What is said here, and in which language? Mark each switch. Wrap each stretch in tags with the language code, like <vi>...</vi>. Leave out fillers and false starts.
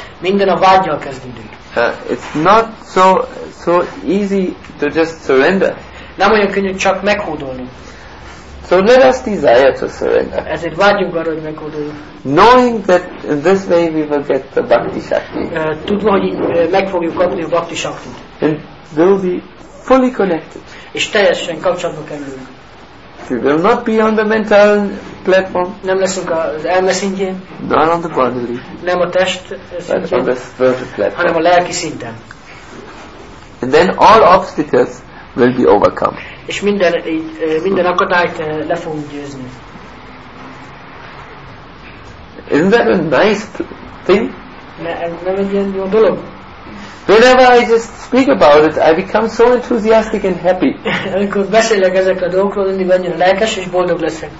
<hu>Minden a vágyal kezdődik.</hu> <en>It's not so easy to just surrender.</en> <hu>Nem olyan könnyű csak meghódolni.</hu> <en>So let us desire to surrender.</en> <hu>Ezért vágyunk arra, hogy meghódoljunk.</hu> <en>Knowing that in this way we will get the bhakti shakti.</en> <hu>Tudva, hogy meg fogjuk kapni a bhakti shaktit.</hu> <en>And we'll be fully connected.</en> <hu>És teljesen kapcsolatba kerülünk.</hu> <en>We will not be on the mental platform.</en> <hu>Nem leszünk az elme szintjén.</hu> <en>Not on the bodily.</en> <hu>Nem a test szintjén. Hanem a lelki szinten.</hu> <en>And then all obstacles will be overcome.</en> <hu>És minden akadályt le fogunk győzni.</hu> <en>Isn't that a nice thing?</en> <hu>Nem egy ilyen jó dolog?</hu> <en>Whenever I just speak about it, I become so enthusiastic and happy.</en> <hu>Amikor beszélek ezekről a dolgokról, mindig annyira lelkes és boldog leszek.</hu>